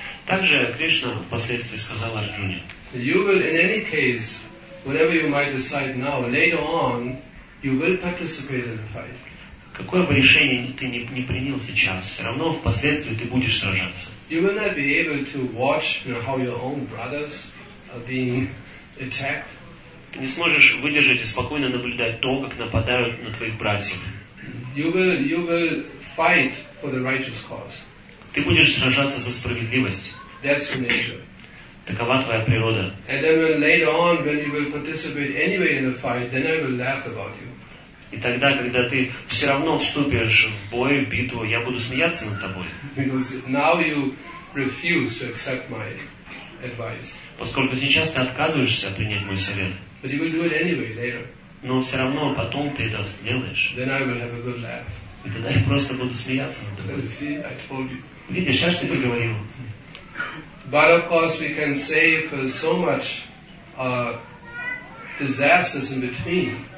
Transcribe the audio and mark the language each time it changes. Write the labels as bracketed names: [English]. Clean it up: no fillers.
[Russian] Также Кришна впоследствии сказал Арджуне. [English] You will, in any case, whatever you might decide now, later on, you will participate in the fight. [Russian] Какое бы решение ты не принял сейчас, все равно впоследствии ты будешь сражаться. [English] You will not be able to watch, you know, how your own brothers are being attacked. [Russian] Ты не сможешь выдержать и спокойно наблюдать то, как нападают на твоих братьев. [English] You will fight for the righteous cause. [Russian] Ты будешь сражаться за справедливость. [English] That's your nature. [Russian] Такова твоя природа. [English] And then when later on, when you will participate anyway in the fight, then I will laugh about you. [Russian] И тогда, когда ты все равно вступишь в бой, в битву, я буду смеяться над тобой. [English] Because now you refuse to accept my advice. [Russian] Поскольку сейчас ты отказываешься принять мой совет. [English] But you will do it anyway later. [Russian] Но все равно потом ты это сделаешь. [English] Then I will have a good laugh. [Russian] И тогда я просто буду смеяться над тобой. [English] See, I told you. [Russian] Видишь, я же тебе говорил. [English] But of course we can save so much disasters in between.